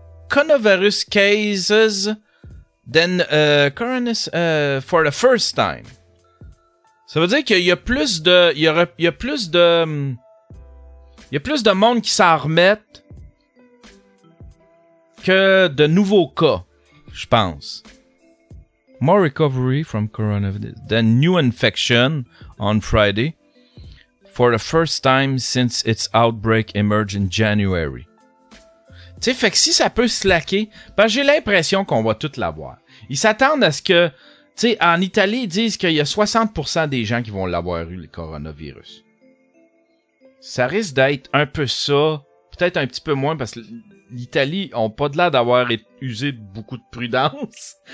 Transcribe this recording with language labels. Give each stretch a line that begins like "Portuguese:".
English: coronavirus cases than coronavirus for the first time.
French: Ça veut dire qu'il y a plus de... Il y a plus de monde qui s'en remettent que de nouveaux cas, je pense.
English: More recovery from coronavirus than new infection on Friday for the first time since its outbreak emerged in January.
French: Tu sais, fait que si ça peut slacker, ben j'ai l'impression qu'on va tout l'avoir. Ils s'attendent à ce que, tu sais, en Italie, ils disent qu'il y a 60% des gens qui vont l'avoir eu, le coronavirus. Ça risque d'être un peu ça, peut-être un petit peu moins, parce que l'Italie n'a pas de l'air d'avoir usé beaucoup de prudence.